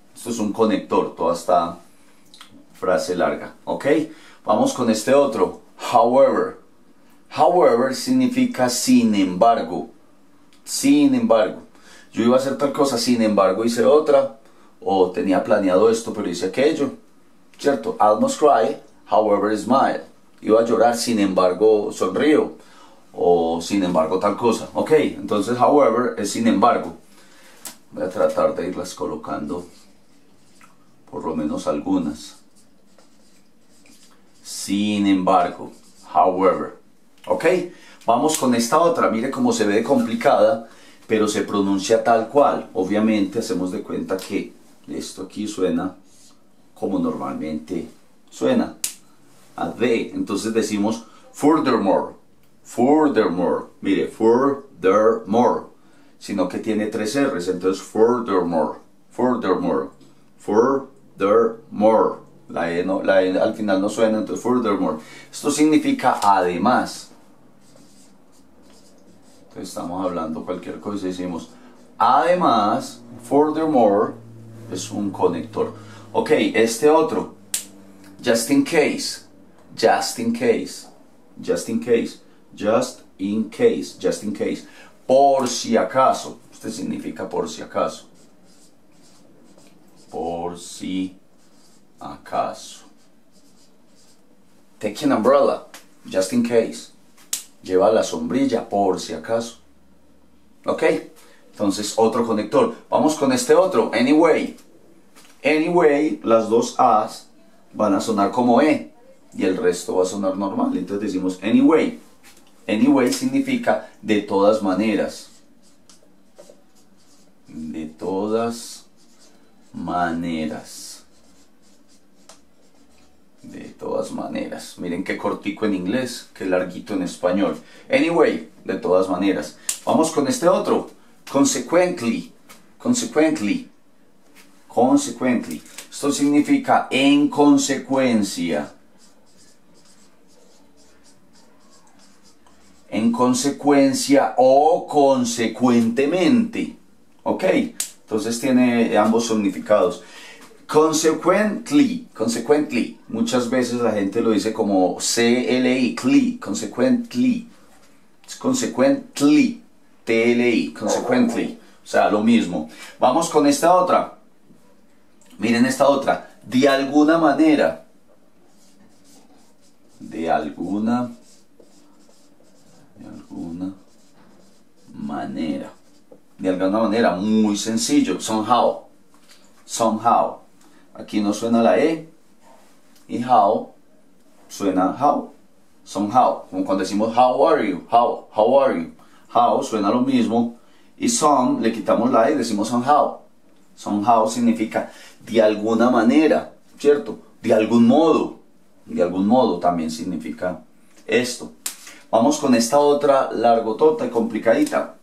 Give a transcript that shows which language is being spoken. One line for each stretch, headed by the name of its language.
Spanish: Esto es un conector, toda esta frase larga, ¿ok? Vamos con este otro, however. However significa sin embargo, sin embargo. Yo iba a hacer tal cosa, sin embargo hice otra, o tenía planeado esto, pero hice aquello, ¿cierto?
English: I almost cry, however smile.
Spanish: Iba a llorar, sin embargo sonrío, o sin embargo tal cosa, ¿ok? Entonces, however es sin embargo. Voy a tratar de irlas colocando por lo menos algunas. Sin embargo, however. Ok, vamos con esta otra. Mire cómo se ve complicada, pero se pronuncia tal cual. Obviamente hacemos de cuenta que esto aquí suena como normalmente suena, a de. Entonces decimos furthermore, furthermore. Mire, furthermore, sino que tiene tres R's. Entonces furthermore, furthermore, furthermore. Furthermore, la E al final no suena, entonces furthermore. Esto significa además. Entonces estamos hablando cualquier cosa y decimos además, furthermore es un conector. Ok, este otro, just in case, just in case, just in case, just in case, just in case. Por si acaso, este significa por si acaso. Por si acaso.
English: Take an umbrella, just in case.
Spanish: Lleva la sombrilla, por si acaso. Ok, entonces otro conector. Vamos con este otro, anyway. Anyway, las dos A's van a sonar como E y el resto va a sonar normal. Entonces decimos anyway. Anyway significa de todas maneras. De todas maneras. De todas maneras. Miren qué cortico en inglés, qué larguito en español. Anyway, de todas maneras. Vamos con este otro.
English: Consequently. Consequently. Consequently.
Spanish: Esto significa en consecuencia. En consecuencia o consecuentemente. Ok. Entonces tiene ambos significados. Consequently, consequently. Muchas veces la gente lo dice como C-L-I, cli, consequently. Es consequently, T-L-I, consequently. O sea, lo mismo. Vamos con esta otra. Miren esta otra. De alguna manera. De alguna. De alguna manera. De alguna manera, muy sencillo, somehow, somehow. Aquí no suena la E, y how, suena how, somehow. Como cuando decimos
English: how are you, how are you.
Spanish: How suena lo mismo, y some, le quitamos la E, decimos somehow. Somehow significa de alguna manera, ¿cierto? De algún modo también significa esto. Vamos con esta otra largotota y complicadita.